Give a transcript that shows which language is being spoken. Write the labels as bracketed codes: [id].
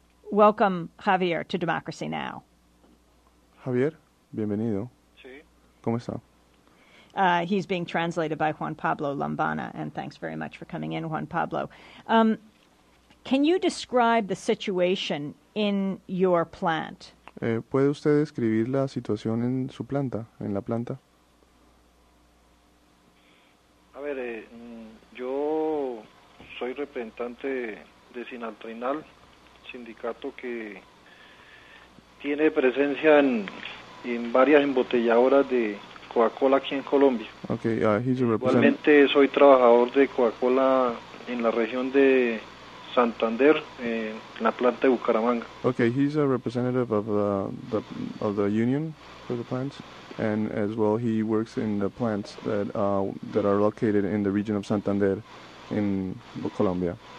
[en] Welcome, Javier, to Democracy Now. [es] Javier, bienvenido. ¿Cómo está? [en] He's being translated by Juan Pablo Lombana, and thanks very much for coming in, Juan Pablo. Can you describe the situation in your plant? [es] ¿Puede usted describir la situación en su planta, en la planta? A ver, yo soy representante de Senal Trenal, sindicato que tiene presencia en varias embotelladoras de Coca-Cola aquí en Colombia. [en] Okay, he's a representative. [es] Igualmente soy trabajador de Coca-Cola en la región de Santander, en la planta de Bucaramanga. [en] Okay, he's a representative of the union for the plants, and as well he works in the plants that that are located in the region of Santander in Colombia.